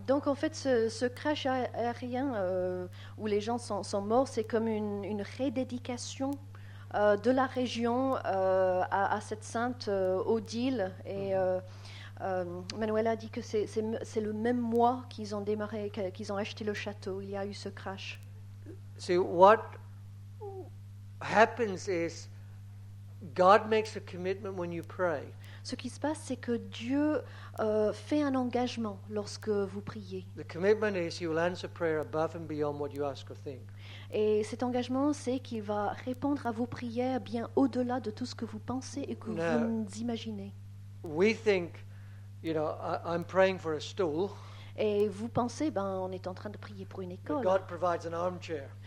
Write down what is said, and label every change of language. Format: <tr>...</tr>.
<fr>Donc en fait, ce crash aérien où les gens sont morts, c'est comme une rededication de la région à cette sainte Odile et. Manuel a dit que c'est le même mois qu'ils ont démarré, qu'ils ont acheté le château. Il y a eu ce crash.</fr> <en>See, what happens is God makes a commitment when you pray.</en> <fr>Ce qui se passe, c'est que Dieu fait un engagement lorsque vous priez.</fr> <en>The commitment is he will answer prayer above and beyond what you ask or think.</en> <fr>Et cet engagement, c'est qu'il va répondre à vos prières bien au-delà de tout ce que vous pensez et que</fr> <en>Now,</en> <fr>vous imaginez.</fr> <en>We think. You know, I'm praying for a stool.</en> <fr>Et vous pensez, ben, on est en train de prier pour une école.</fr> <en>God provides an armchair.</en>